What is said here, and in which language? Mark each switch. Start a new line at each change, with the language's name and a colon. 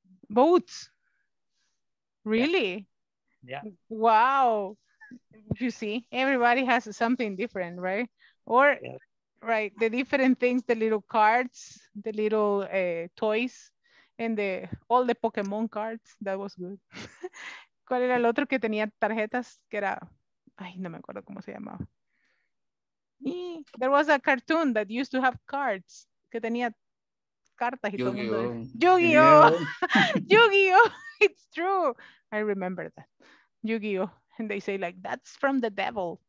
English: Boats. Really? Yeah. Wow. You see, everybody has something different, right? Or, yeah. Right, the different things, the little cards, the little toys, and all the Pokemon cards. That was good.
Spanish: ¿Cuál era el otro que tenía tarjetas? Que era, ay, no me acuerdo cómo se llamaba.
English: Y there was a cartoon that used to have cards,
Spanish: que tenía cartas y
English: Yu-Gi-Oh.
Spanish: Todo el mundo.
English: Yu-Gi-Oh! Yu-Gi-Oh! It's true. I remember that. Yu-Gi-Oh! And they say like, that's from the devil.